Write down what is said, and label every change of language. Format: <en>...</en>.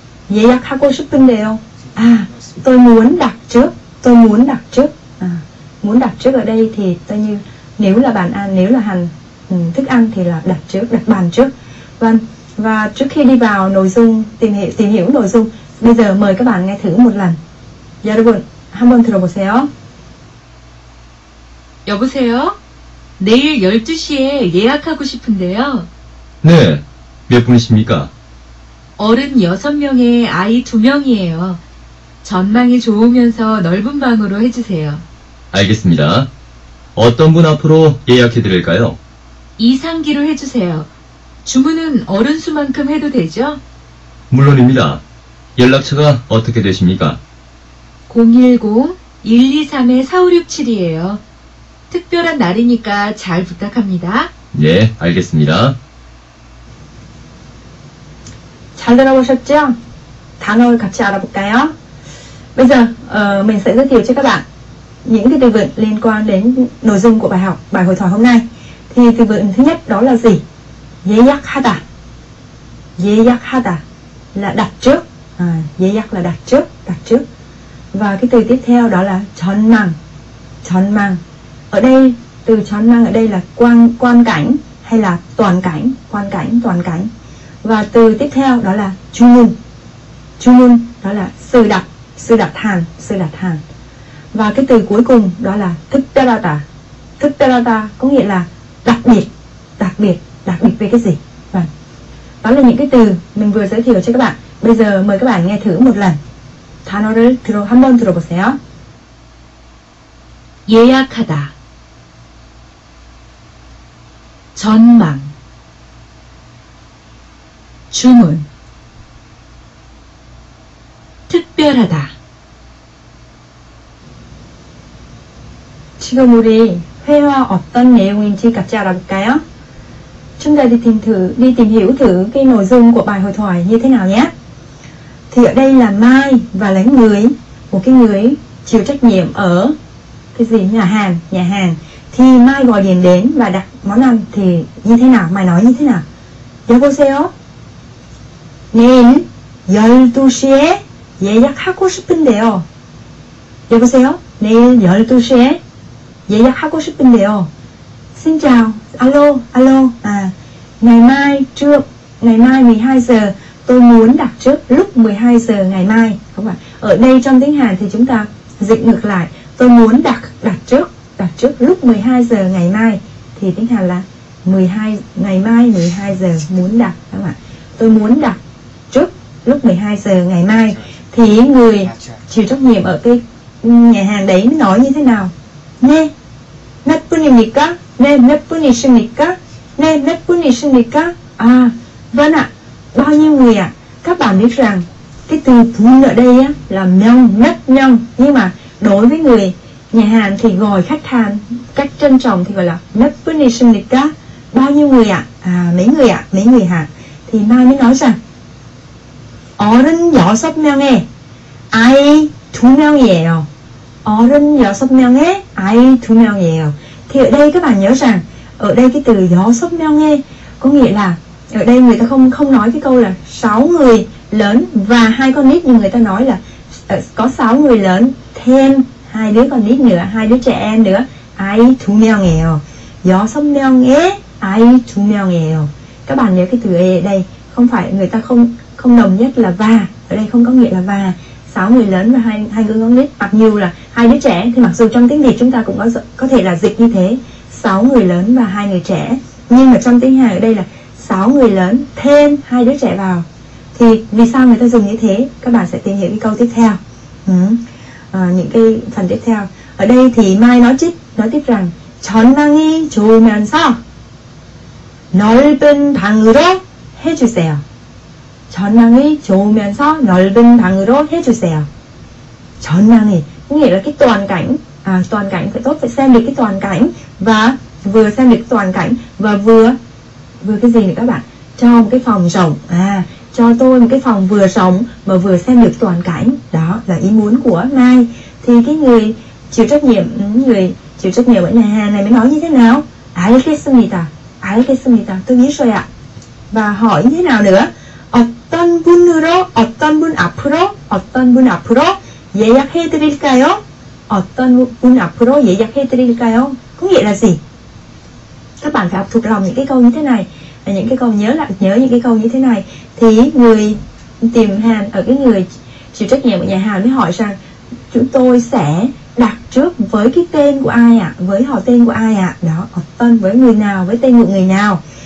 <ko>예약하고 싶은데요.</ko> <vi>À, tôi muốn đặt trước. Tôi muốn đặt trước. À, muốn đặt trước ở đây thì tôi như nếu là bàn ăn, nếu là hành thức ăn thì là đặt trước, đặt bàn trước. Vâng, và trước khi đi vào nội dung tìm hiểu nội dung, bây giờ mời các bạn nghe thử một lần.</vi> <ko>여러분, 한번 들어보세요. 여보세요? 내일 12시에 예약하고 싶은데요. 네. 몇 분이십니까? 어른 6명에 아이 2명이에요. 전망이 좋으면서 넓은 방으로 해주세요. 알겠습니다. 어떤 분 앞으로 예약해드릴까요? 이상기로 해주세요. 주문은 어른 수만큼 해도 되죠? 물론입니다. 연락처가 어떻게 되십니까? 010-123-4567이에요. 특별한 날이니까 잘 부탁합니다. 네, 알겠습니다. 잘 들어보셨죠? 단어를 같이 알아볼까요?</ko> <vi>Bây giờ mình sẽ giới thiệu cho các bạn những cái từ vựng liên quan đến nội dung của bài học, bài hội thoại hôm nay. Thì từ vựng thứ nhất đó là gì?</vi> <ko>예약하다.</ko> <vi>예약하다 là đặt trước. 예약 là đặt trước, đặt trước. Và cái từ tiếp theo đó là 전망.</vi> <ko>전망.</ko> <vi>Ở đây từ 전망 ở đây là quan cảnh hay là toàn cảnh, quan cảnh, toàn cảnh. Và từ tiếp theo đó là 주문. 주문 đó là sự đặt. Sự đặt hàng, sự đặt hàng. Và cái từ cuối cùng đó là 특별하다. 특별하다 có nghĩa là đặc biệt. Đặc biệt, đặc biệt về cái gì? Vâng. Đó là những cái từ mình vừa giới thiệu cho các bạn. Bây giờ mời các bạn nghe thử một lần.</vi> <ko>단어를 들어 한번 들어보세요. 예약하다. 전망. 주문. 특별하다. 지금 우리 회화 어떤 내용인지 같이 알아볼까요?</ko> <vi>Chúng ta đi tìm hiểu thử cái nội dung của bài hội thoại như thế nào nhé. Thì ở đây là Mai và là người, một cái người chịu trách nhiệm ở cái gì, nhà hàng. Thì Mai gọi điện đến và đặt món ăn thì như thế nào? Mai nói như thế nào?</vi> <ko>여보세요? 내일 12시에 예약하고 싶은데요. 여보세요? 내일 12시에 예약하고 싶은데요.</ko> <vi>Xin chào. Alo. À, ngày mai 12 giờ tôi muốn đặt trước lúc 12 giờ ngày mai. Không phải. Ở đây trong tiếng Hàn thì chúng ta dịch ngược lại. Tôi muốn đặt trước lúc 12 giờ ngày mai thì tiếng Hàn là 12 ngày mai 12 giờ muốn đặt, các bạn. Tôi muốn đặt trước lúc 12 giờ ngày mai. Thì người chịu trách nhiệm ở cái nhà hàng đấy nói như thế nào?</vi> <ko>네, 몇 분입니까? 네, 몇 분이십니까? 네, 몇 분이십니까?</ko> <vi>À, vâng ạ, bao nhiêu người ạ? Các bạn biết rằng cái từ 분 ở đây á, là 명, 몇 명. Nhưng mà đối với người nhà hàng thì gọi khách hàng cách trân trọng thì gọi là</vi> <ko>몇 분이십니까?</ko> <vi>Bao nhiêu người ạ? À, mấy người ạ? Mấy người hả? Thì Mai mới nói rằng</vi> <ko>어른 여섯 명에 아이 두 명이에요. 어른 여섯 명에 아이 두 명이에요.</ko> <vi>Thì ở đây các bạn nhớ rằng ở đây cái từ 여섯 명에 có nghĩa là Ở đây người ta không nói cái câu là 6 người lớn và 2 con nít, nhưng người ta nói là có 6 người lớn thêm 2 đứa con nít nữa, 2 đứa trẻ em nữa.</vi> <ko>아이 두 명이에요. 여섯 명의 아이 두 명이에요.</ko> <vi>Các bạn nhớ cái từ ấy ở đây, không phải người ta không đồng nhất là và. Ở đây không có nghĩa là và. 6 người lớn và 2 đứa con nít, mặc dù là 2 đứa trẻ thì mặc dù trong tiếng Việt chúng ta cũng có thể là dịch như thế, 6 người lớn và 2 người trẻ. Nhưng mà trong tiếng Hàn ở đây là 6 người lớn thêm 2 đứa trẻ vào. Thì vì sao người ta dùng như thế? Các bạn sẽ tìm hiểu cái câu tiếp theo. Những cái phần tiếp theo. Ở đây thì Mai nói chích, nói tiếp rằng</vi> <ko>전망이 좋으면서 넓은 방으로 해주세요. 전망이 좋으면서 넓은 방으로 해주세요.</ko> <vi>전망이 nghĩa là cái toàn cảnh. Toàn cảnh phải tốt, phải xem được cái toàn cảnh. Và vừa xem được toàn cảnh và vừa cái gì nữa các bạn? Cho một cái phòng rộng. Cho tôi một cái phòng vừa rộng mà vừa xem được toàn cảnh. Đó là ý muốn của Mai. Thì cái người chịu trách nhiệm, người chịu trách nhiệm ở nhà hàng này mới nói như thế nào?</vi> <ko>알겠습니다. 알겠습니다.</ko> <vi>Tôi biết rồi ạ. Và hỏi như thế nào nữa?</vi> <ko>어떤 분으로, 어떤 분 앞으로, 어떤 분 앞으로 예약해 드릴까요? 어떤 분 앞으로 예약해 드릴까요?</ko> <vi>Có nghĩa là gì? Các bạn phải học thuộc lòng những cái câu như thế này. Những cái câu nhớ lại, nhớ những cái câu như thế này. Thì người tìm hàng ở cái người chịu trách nhiệm ở nhà hàng mới hỏi rằng chúng tôi sẽ đặt trước với cái tên của ai ạ? Với họ tên của ai ạ? Đó, họ tên với người nào, với tên của người nào?</vi>